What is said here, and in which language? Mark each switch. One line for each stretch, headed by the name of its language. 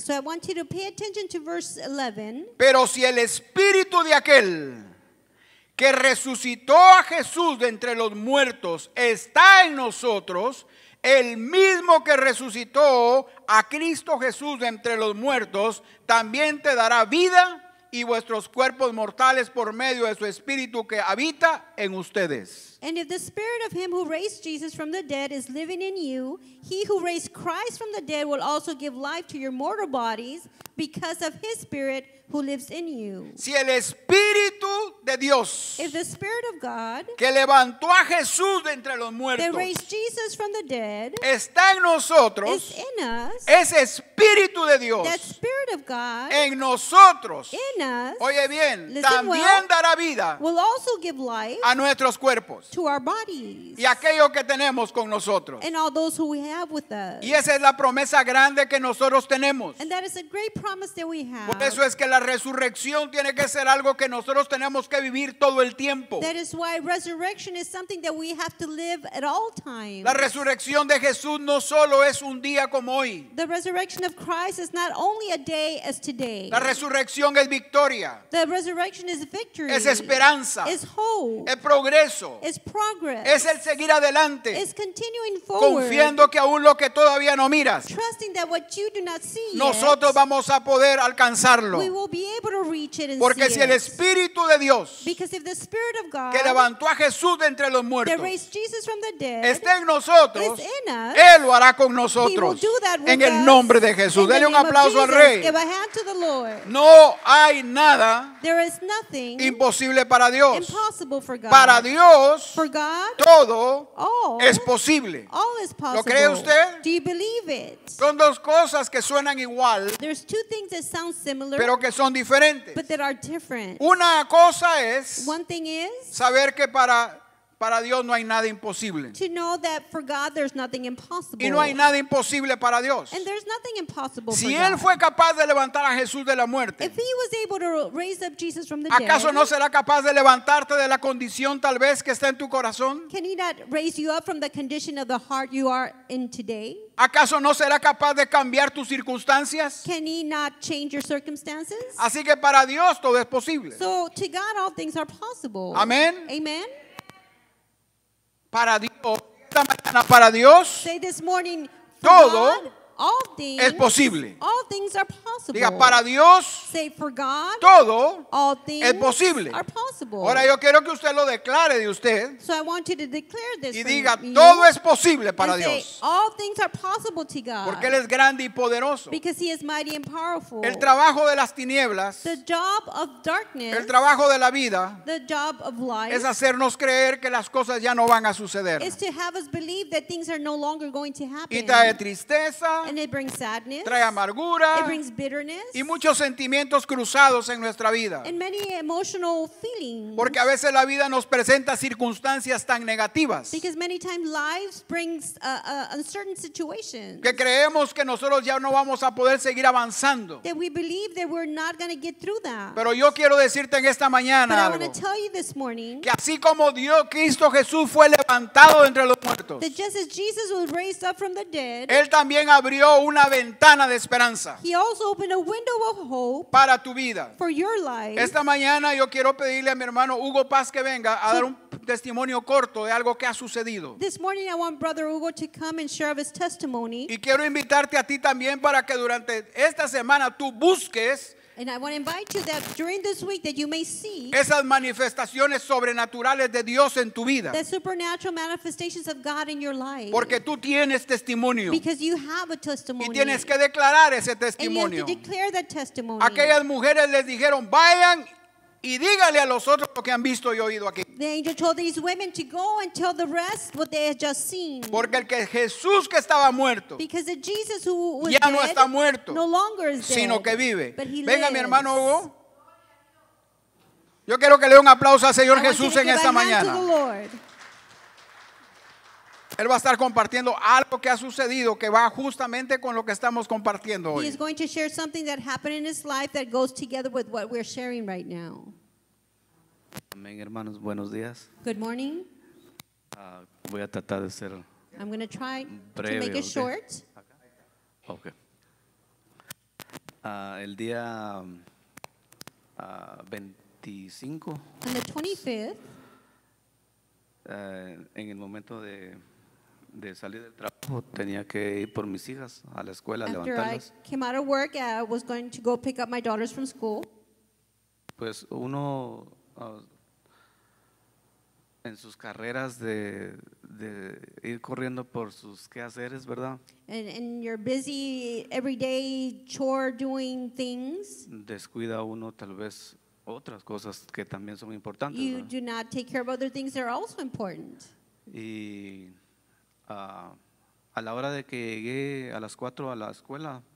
English: So I want you to pay attention to verse 11.
Spanish: Pero si el Espíritu de aquel que resucitó a Jesús de entre los muertos está en nosotros, el mismo que resucitó a Cristo Jesús de entre los muertos también te dará vida y vuestros cuerpos mortales por medio de su Espíritu que habita en ustedes.
English: And if the Spirit of him who raised Jesus from the dead is living in you, he who raised Christ from the dead will also give life to your mortal bodies because of his Spirit who lives in you.
Spanish: Si el Espíritu de Dios,
English: if the Spirit of God,
Spanish: que levantó a Jesús de entre los muertos,
English: that raised Jesus from the dead,
Spanish: está en nosotros,
English: is in us,
Spanish: ese Espíritu de Dios,
English: that Spirit of God,
Spanish: en nosotros,
English: in us,
Spanish: oye bien,
English: listen,
Spanish: también
English: well,
Spanish: dará vida,
English: will also give life,
Spanish: a nuestros cuerpos,
English: to our bodies,
Spanish: y aquello que tenemos con nosotros,
English: and all those who we have with us,
Spanish: y esa es la promesa grande que nosotros tenemos,
English: and that is a great promise that we have.
Spanish: Por eso es que la resurrección tiene que ser algo que nosotros tenemos. tenemos que vivir todo el tiempo.
English: That is why resurrection is something that we have to live at all times.
Spanish: La resurrección de Jesús no solo es un día como hoy.
English: The resurrection of Christ is not only a day as today.
Spanish: La resurrección es victoria.
English: The resurrection is victory.
Spanish: Es esperanza.
English: Is hope.
Spanish: Es progreso.
English: Is progress.
Spanish: Es el seguir adelante.
English: Is continuing forward.
Spanish: Confiando que aún lo que todavía no miras.
English: Trusting that what you do not see.
Spanish: Nosotros vamos a poder alcanzarlo.
English: We will be able to reach it and
Spanish: porque
English: see
Spanish: si el Espíritu de Dios
English: God,
Spanish: que levantó a Jesús de entre los muertos
English: that raised Jesus from the dead,
Spanish: está en nosotros
English: in us,
Spanish: Él lo hará con nosotros
English: he will do that with
Spanish: en el nombre de Jesús. Dele un aplauso
English: Jesus,
Spanish: al Rey.
English: Give a hand to the Lord.
Spanish: No hay nada
English: there is nothing
Spanish: imposible para Dios.
English: Impossible for God.
Spanish: Para Dios
English: for God,
Spanish: todo
English: all,
Spanish: es posible.
English: All is possible.
Spanish: ¿Lo cree usted?
English: Do you believe it?
Spanish: Son dos cosas que suenan igual
English: there's two things that sound similar,
Spanish: pero que son diferentes.
English: But that are different.
Spanish: Una cosa es
English: one thing is
Spanish: saber que para Dios no hay nada imposible.
English: To know that for God there's nothing impossible.
Spanish: Y no hay nada imposible para Dios.
English: And there's nothing impossible
Spanish: si
English: for
Spanish: Él
English: God.
Spanish: Fue capaz de levantar a Jesús de la muerte,
English: if he was able to raise up Jesus from the
Spanish: ¿acaso
English: dead,
Spanish: ¿acaso no será capaz de levantarte de la condición tal vez que está en tu corazón?
English: Can he not raise you up from the condition of the heart you are in today?
Spanish: ¿Acaso no será capaz de cambiar tus circunstancias?
English: Can he not change your circumstances?
Spanish: Así que para Dios todo es posible.
English: So to God all things are possible.
Spanish: Amén.
English: Amen.
Spanish: Para Dios, esta mañana para Dios,
English: say this morning,
Spanish: todo
English: God, all things,
Spanish: es posible.
English: All things are possible.
Spanish: Diga, para Dios,
English: say for God,
Spanish: todo
English: all things
Spanish: es posible.
English: Are possible.
Spanish: Ahora yo quiero que usted lo declare de usted.
English: So I want you to declare this
Spanish: y diga, todo es posible para Dios.
English: Say, all things are possible to God.
Spanish: Porque Él es grande y poderoso.
English: Because he is mighty and powerful.
Spanish: El trabajo de las tinieblas,
English: the job of darkness,
Spanish: el trabajo de la vida,
English: the job of life,
Spanish: es hacernos creer que las cosas ya no van a suceder.
English: Is to have us believe that things are no longer going to happen.
Spanish: Y trae tristeza.
English: And it brings sadness.
Spanish: Trae amargura.
English: It brings bitterness.
Spanish: Y muchos sentimientos cruzados en nuestra vida.
English: And many emotional feelings.
Spanish: Porque a veces la vida nos presenta circunstancias tan negativas.
English: Because many times life brings uncertain situations.
Spanish: Que creemos que nosotros ya no vamos a poder seguir avanzando.
English: That we believe that we're not going to get through that.
Spanish: Pero yo quiero decirte en esta mañana
English: but
Spanish: algo.
English: But I want to tell you this morning.
Spanish: Que así como Dios Cristo Jesús fue levantado entre los muertos.
English: That just as Jesus was raised up from the dead.
Spanish: Él también abrió una ventana de esperanza.
English: He also opened a window of hope
Spanish: para tu vida.
English: For your life.
Spanish: Esta mañana yo quiero pedirle a mi hermano Hugo Paz que venga a dar un testimonio corto de algo que ha sucedido.
English: This morning I want Brother Hugo to come and share of his testimony.
Spanish: Y quiero invitarte a ti también para que durante esta semana tú busques.
English: And I want to invite you that during this week that you may see
Spanish: esas manifestaciones sobrenaturales de Dios en tu vida.
English: The supernatural manifestations of God in your life.
Spanish: Porque tú tienes testimonio.
English: Because you have a testimony.
Spanish: Y tienes que declarar ese testimonio.
English: And you have to declare that testimony.
Spanish: Aquellas mujeres les dijeron, vayan y dígale a los otros lo que han visto y oído aquí.
English: The angel told these women to go and tell the rest what they had just seen.
Spanish: Porque el que Jesús que estaba muerto.
English: Because the Jesus who was
Spanish: ya no
English: dead,
Spanish: está muerto.
English: No longer is dead.
Spanish: Sino que vive.
English: But he
Spanish: venga
English: lives.
Spanish: Mi hermano Hugo. Yo quiero que le dé un aplauso al Señor
English: I
Spanish: Jesús en esta mañana.
English: To the Lord.
Spanish: Él va a estar compartiendo algo que ha sucedido que va justamente con lo que estamos compartiendo hoy.
English: He is going to share something that happened in his life that goes together with what we're sharing right now.
Spanish: Amén, hermanos, buenos días.
English: Good morning.
Spanish: Voy a tratar de ser
English: I'm going to try
Spanish: breve,
English: to make it okay. short.
Spanish: Okay. El día 25.
English: On the 25th.
Spanish: En el momento de salir del trabajo tenía que ir por mis hijas a la escuela
English: after
Spanish: levantarlas.
English: I came out of work I was going to go pick up my daughters from school.
Spanish: Pues uno en sus carreras de ir corriendo por sus quehaceres, ¿verdad?
English: And you're busy everyday chore doing things.
Spanish: Descuida uno tal vez otras cosas que también son importantes.
English: You
Spanish: ¿verdad?
English: Do not take care of other things that are also important.
Spanish: Y a la hora de que llegué a las 4 a la escuela